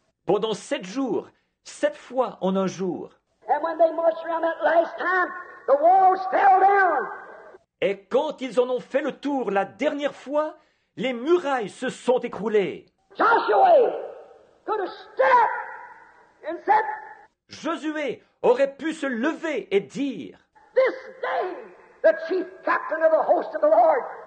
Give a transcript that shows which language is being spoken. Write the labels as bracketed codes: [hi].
[fr] Pendant 7 jours, 7 fois en un jour. [en] And when they marched around that last time, the walls fell down. [fr] Et quand ils en ont fait le tour la dernière fois, les murailles se sont écroulées. [en] Joshua could have stood and said, [fr] Josué aurait pu se lever et dire, [en] this day, the chief captain of the host of the Lord.